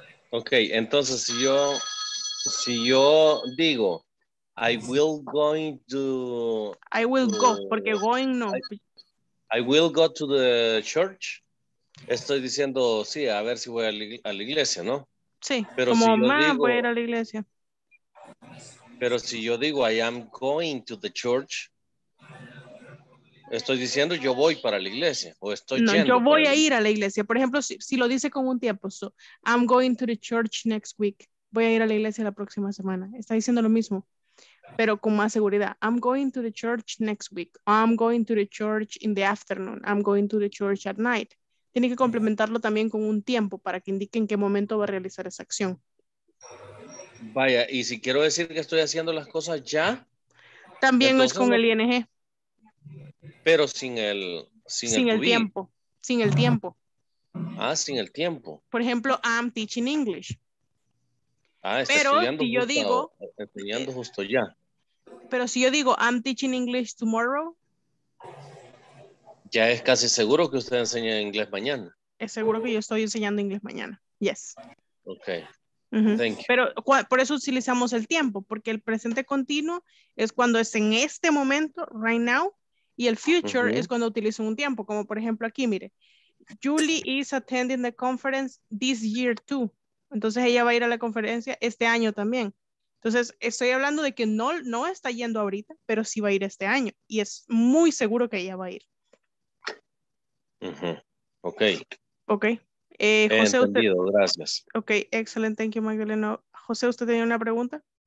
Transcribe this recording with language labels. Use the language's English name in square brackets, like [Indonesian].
[Spanish] Ok, entonces si yo digo, [English] I will going to... I will go, [Spanish] porque [English] going no. I will go to the church. [Spanish] Estoy diciendo, sí, a ver si voy a la iglesia, ¿no? Sí, pero como si mamá digo, voy a ir a la iglesia. Pero si yo digo, [English] I am going to the church. [Spanish] Estoy diciendo yo voy para la iglesia o estoy no, yendo. No, yo voy a ir a la iglesia. Por ejemplo, si lo dice con un tiempo, [English] so, I'm going to the church next week. [Spanish] Voy a ir a la iglesia la próxima semana. Está diciendo lo mismo, pero con más seguridad. [English] I'm going to the church next week. I'm going to the church in the afternoon. I'm going to the church at night. [Spanish] Tiene que complementarlo también con un tiempo para que indique en qué momento va a realizar esa acción. Vaya, y si quiero decir que estoy haciendo las cosas ya. También es con el ING. Pero sin el. Sin el tiempo. Sin el tiempo. Ah, sin el tiempo. Por ejemplo, [English] I'm teaching English. [Spanish] Ah, está pero estudiando si justo, yo digo, enseñando justo ya. Pero si yo digo, [English] I'm teaching English tomorrow. [Spanish] Ya es casi seguro que usted enseña inglés mañana. Es seguro que yo estoy enseñando inglés mañana. [English] Yes. Ok. Uh-huh. Thank you. [Spanish] Pero por eso utilizamos el tiempo, porque el presente continuo es cuando es en este momento, [English] right now, [Spanish] y el future uh-huh. es cuando utilizo un tiempo, como por ejemplo aquí, mire. [English] Julie is attending the conference this year too. [Spanish] Entonces ella va a ir a la conferencia este año también. Entonces estoy hablando de que no está yendo ahorita, pero sí va a ir este año. Y es muy seguro que ella va a ir. Uh-huh. Ok. Ok. José, entendido, usted... gracias. Ok, excelente. [English] Thank you, [Spanish] Magdalena. José, ¿usted tenía una pregunta?